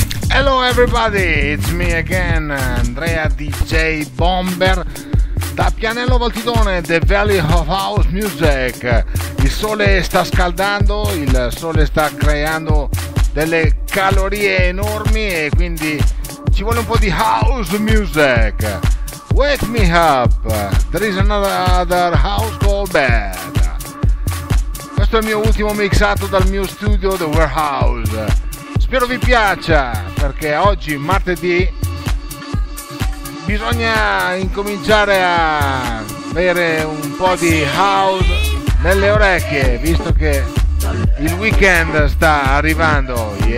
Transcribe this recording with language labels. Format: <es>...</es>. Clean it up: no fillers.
<en>Hello everybody, it's me again, Andrea DJ Bomber, da Pianello Valtidone, The Valley of House Music.</en> <it>Il sole sta scaldando, il sole sta creando delle calorie enormi e quindi ci vuole un po' di house music.</it> <en>Wake me up, there is another house called bed.</en> <it>Questo è il mio ultimo mixato dal mio studio, The Warehouse. Spero vi piaccia, perché oggi, martedì, bisogna incominciare a avere un po' di house nelle orecchie, visto che il weekend sta arrivando.</it>